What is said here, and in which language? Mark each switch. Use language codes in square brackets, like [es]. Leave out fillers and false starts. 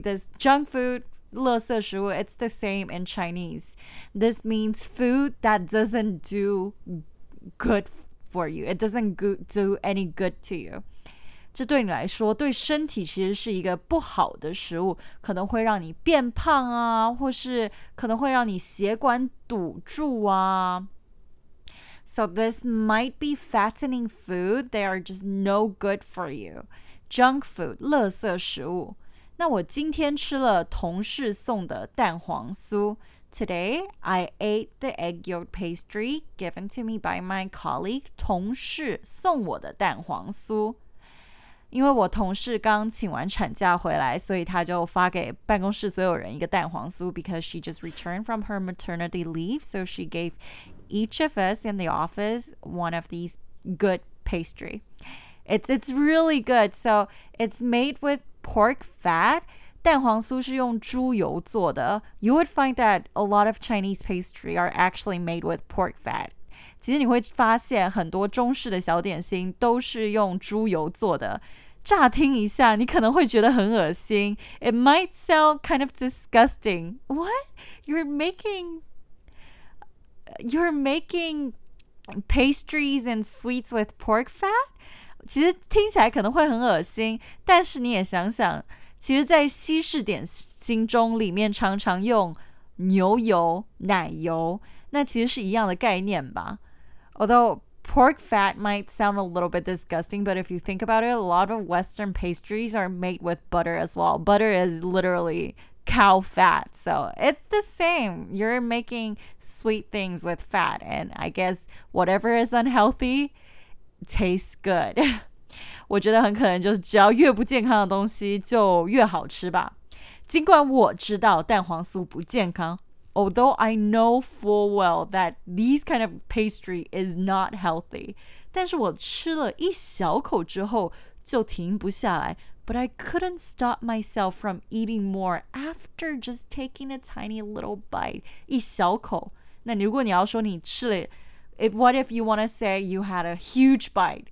[en] This junk food, 垃圾食物 it's the same in Chinese. This means food that doesn't do good for you. It doesn't do any good to you. [zh] 这对你来说，对身体其实是一个不好的食物，可能会让你变胖啊，或是可能会让你血管堵住啊。 [en] So this might be fattening food. They are just no good for you. Junk food, 垃圾食物。 [zh] 那我今天吃了同事送的蛋黄酥。 [en] Today, I ate the egg yolk pastry given to me by my colleague, [zh] 同事送我的蛋黄酥。因为我同事刚请完产假回来，所以她就发给办公室所有人一个蛋黄酥 [en] because she just returned from her maternity leave, so she gave... each of us in the office one of these good pastry. It's really good. So it's made with pork fat. [zh] 蛋黄酥是用猪油做的。 [en] You would find that a lot of Chinese pastry are actually made with pork fat. [zh] 其实你会发现很多中式的小点心都是用猪油做的。乍听一下你可能会觉得很恶心。 [en] It might sound kind of disgusting. What? You're making pastries and sweets with pork fat? [zh] 其实听起来可能会很恶心，但是你也想想，其实在西式点心中里面常常用牛油、奶油，那其实是一样的概念吧。 [en] Although pork fat might sound a little bit disgusting, but if you think about it, a lot of Western pastries are made with butter as well. Butter is literally... cow fat, so it's the same. You're making sweet things with fat, and I guess whatever is unhealthy tastes good. [zh] 我觉得很可能就是只要越不健康的东西就越好吃吧。尽管我知道蛋黄酥不健康 [en] although I know full well that these kind of pastry is not healthy. [zh] 但是我吃了一小口之后就停不下来。 [en] But I couldn't stop myself from eating more after just taking a tiny little bite. 一小口。 [zh] 那如果你要说你吃了 [en] what if you want to say you had a huge bite?